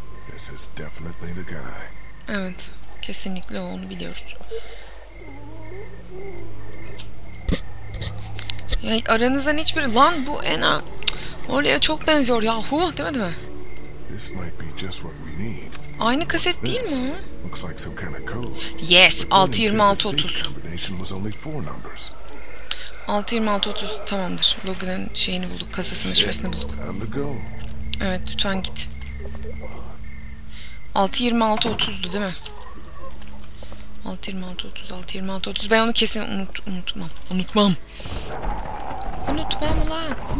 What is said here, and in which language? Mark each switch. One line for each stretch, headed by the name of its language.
English: This is definitely the guy.
Turkish: Evet, kesinlikle onu biliyoruz. Ya aranızdan hiçbiri, lan bu Anna Molly'ye çok benziyor yahu, demedi mi?
English: This might be just what we need.
Turkish: Aynı kaset değil mi?
English: Looks like some kind of code. Yes, 626630. Combination was only four numbers.
Turkish: 626630 tamamdır. Logan'ın şeyini bulduk, kasasının şifresini bulduk. Evet, lütfen git. 626630'du değil mi? 626630. Ben onu kesin unutmam. Unutmam lan.